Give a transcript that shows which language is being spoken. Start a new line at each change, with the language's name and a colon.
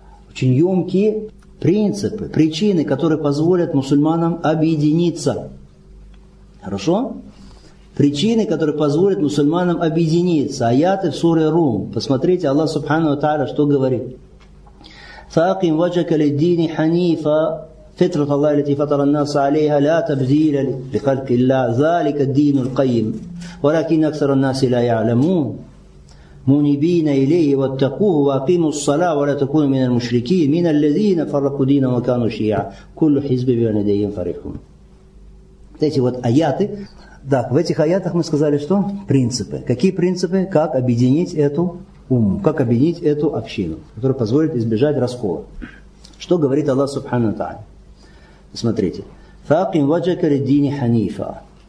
Russian: Очень емкие. Принципы, причины, которые позволят мусульманам объединиться. Хорошо? Причины, которые позволят мусульманам объединиться. Аяты в суре Рум. Посмотрите, Аллах Субхану ва Тааля что говорит.
Arabic: فَأَقِمْ وَجْهَكَ لِلدِّينِ حَنِيفًا فِطْرَةَ اللَّهِ الَّتِي فَطَرَ النَّاسَ عَلَيْهَا لَا تَبْدِيلَ لِخَلْقِ اللَّهِ ذَلِكَ الدِّينُ الْقَيِّمُ وَلَكِنَّ أَكْثَرَ النَّاسِ لَا يَعْلَمُونَ منيبين إليه واتقوه وأقيموا الصلاة ولا تكونوا من المشركين من الذين فرقوا دينهم وكانوا شيعا كل حزب بما لديهم فرحون.
Russian: Эти вот аяты, да, в этих аятах мы сказали, что принципы. Какие принципы? Как объединить эту умму, как объединить эту общину, которая позволит избежать раскола. Что говорит Аллах Субхану ва Тааля? Смотрите.
Arabic: فأقم وجهك للدين حنيفا.